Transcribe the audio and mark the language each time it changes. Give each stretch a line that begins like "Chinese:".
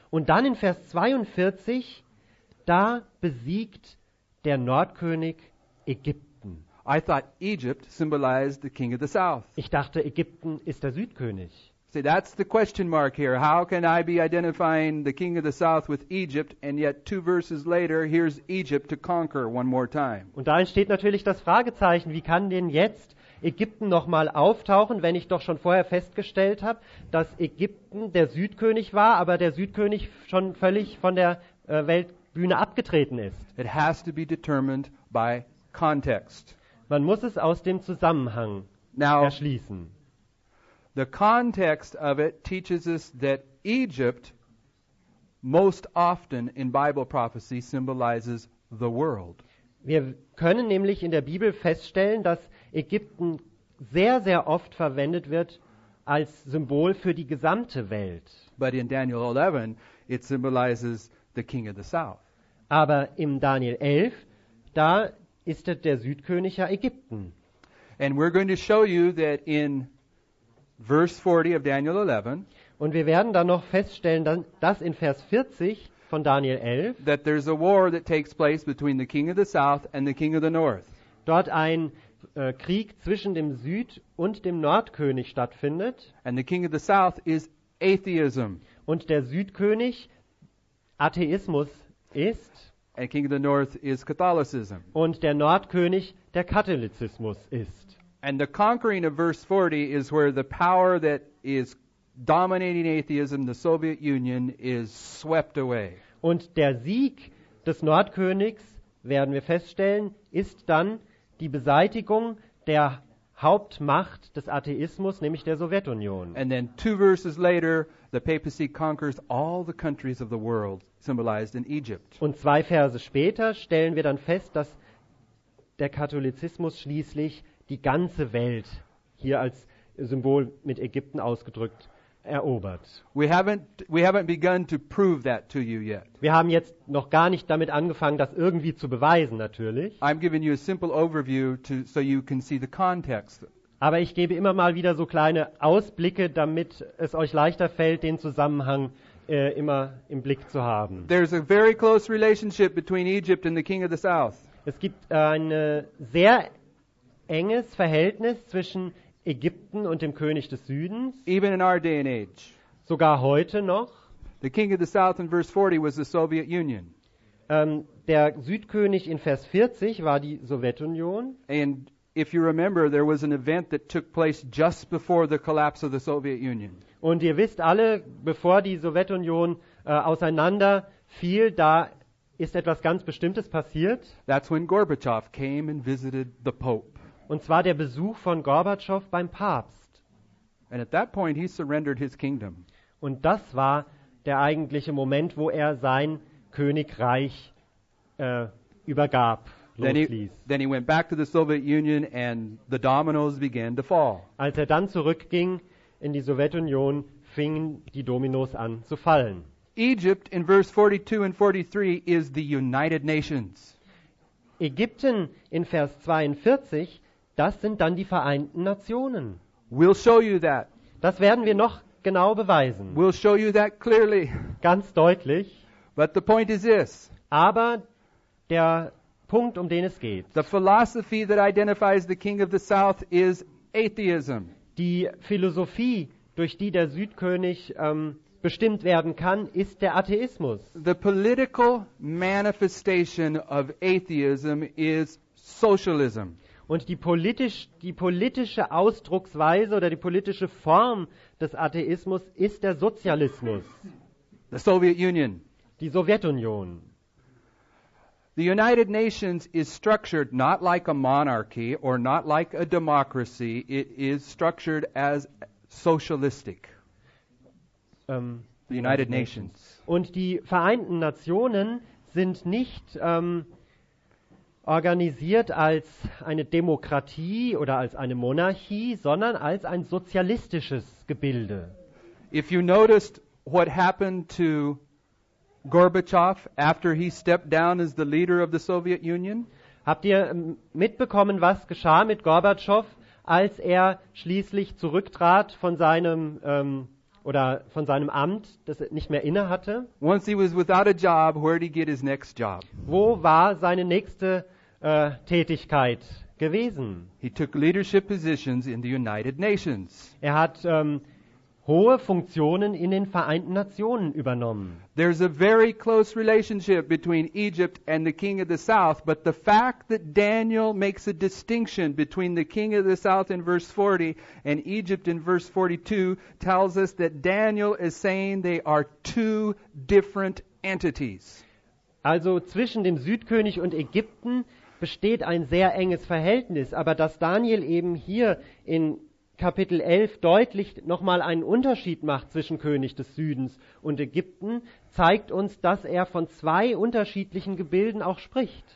German: Und dann in Vers 42 da besiegt der Nordkönig Ägypten.
English: I thought Egypt symbolized the king of the south.
German: Ich dachte, Ägypten ist der Südkönig.
English: See, that's the question mark here. How can I be identifying the king of the south with Egypt and yet two verses later here's Egypt to conquer one more time?
German: Und da entsteht natürlich das Fragezeichen, wie kann denn jetzt Ägypten nochmal auftauchen, wenn ich doch schon vorher festgestellt habe, dass Ägypten der Südkönig war, aber der Südkönig schon völlig von der Weltbühne abgetreten ist.
English: It has to be determined by context.
German: Man muss es aus dem Zusammenhang erschließen.
English: The context of it teaches us that Egypt most often in Bible prophecy symbolizes the world.
German: Wir können nämlich in der Bibel feststellen, dass Ägypten sehr, sehr oft verwendet wird als Symbol für die gesamte Welt.
English: But in Daniel 11 it symbolizes the king of the south.
German: Aber im Daniel 11 da ist es der Südkönig ja Ägypten.
English: And we're going to show you that in verse 40 of Daniel 11.
German: Und wir werden dann noch feststellen, dass in Vers 40 von Daniel 11
English: that there's a war that takes place between the king of the south and the king of the north.
German: Dort ein Krieg zwischen dem Süd- und dem Nordkönig stattfindet.
English: And the king of the south is atheism.
German: Und der Südkönig Atheismus ist.
English: And king of the north is Catholicism.
German: Und der Nordkönig der Katholizismus ist.
English: And the conquering of verse 40 is where the power that is dominating atheism, the Soviet Union, is swept away.
German: Und der Sieg des Nordkönigs, werden wir feststellen, ist dann die Beseitigung der Hauptmacht des Atheismus, nämlich der Sowjetunion.
English: And then two verses later, the papacy conquers all the countries of the world, symbolized in Egypt.
German: Und zwei Verse später stellen wir dann fest, dass der Katholizismus schließlich die ganze Welt hier als Symbol mit Ägypten ausgedrückt erobert.
English: We haven't begun to prove that to you yet.
German: Wir haben jetzt noch gar nicht damit angefangen, das irgendwie zu beweisen, natürlich.
English: I'm giving you a simple overview to, so you can see the context.
German: Aber ich gebe immer mal wieder so kleine Ausblicke, damit es euch leichter fällt, den Zusammenhang immer im Blick zu haben.
English: There's a very close relationship between Egypt and the king of the south.
German: Es gibt eine sehr enges Verhältnis zwischen Ägypten und dem König des Südens.
English: Even in our day and age.
German: Sogar heute noch.
English: The king of the south in verse 40 was the Soviet Union.
German: Der Südkönig in Vers 40 war die Sowjetunion.
English: And if you remember, there was an event that took place just before the collapse of the Soviet Union.
German: Und ihr wisst alle, bevor die Sowjetunion auseinanderfiel, da ist etwas ganz Bestimmtes passiert.
English: That's when Gorbachev came and visited the Pope.
German: Und zwar der Besuch von Gorbatschow beim Papst.
English: And at that point he surrendered his kingdom.
German: Und das war der eigentliche Moment, wo er sein Königreich übergab, losließ.
English: Then he went back to the Soviet Union and the dominoes began to fall.
German: Als er dann zurückging in die Sowjetunion, fingen die Dominos an zu fallen.
English: Egypt in verse 42 and 43 is the United Nations.
German: Ägypten in Vers 42, das sind dann die Vereinten Nationen.
English: We'll show you that.
German: Das werden wir noch genau beweisen.
English: We'll show you that clearly.
German: Ganz deutlich.
English: But the point is this.
German: Aber der Punkt, um den es geht.
English: The philosophy that identifies the king of the south is atheism.
German: Die Philosophie, durch die der Südkönig bestimmt werden kann, ist der Atheismus.
English: The political manifestation of atheism is socialism.
German: Und die politische Ausdrucksweise oder die politische Form des Atheismus ist der Sozialismus.
English: The Soviet Union.
German: Die Sowjetunion.
English: The United Nations is structured not like a monarchy or not like a democracy. It is structured as socialistic. The United Nations.
German: Und die Vereinten Nationen sind nicht organisiert als eine Demokratie oder als eine Monarchie, sondern als ein sozialistisches Gebilde.
English: If you noticed what happened to Gorbachev after he stepped down as the leader of the Soviet Union?
German: Habt ihr mitbekommen, was geschah mit Gorbatschow, als er schließlich zurücktrat von seinem oder von seinem Amt, das er nicht mehr inne hatte?
English: Once he was without a job, where did he get his next job?
German: Wo war seine nächste Tätigkeit gewesen?
English: He took leadership positions in the United Nations.
German: Er hat hohe Funktionen in den Vereinten Nationen übernommen.
English: There's a very close relationship between Egypt and the King of the South, but the fact that Daniel makes a distinction between the King of the South in verse 40 and Egypt in verse 42 tells us that Daniel is saying they are two different entities.
German: Also zwischen dem Südkönig und Ägypten besteht ein sehr enges Verhältnis, aber dass Daniel eben hier in Kapitel 11 deutlich nochmal einen Unterschied macht zwischen König des Südens und Ägypten, zeigt uns, dass er von zwei unterschiedlichen Gebilden auch spricht.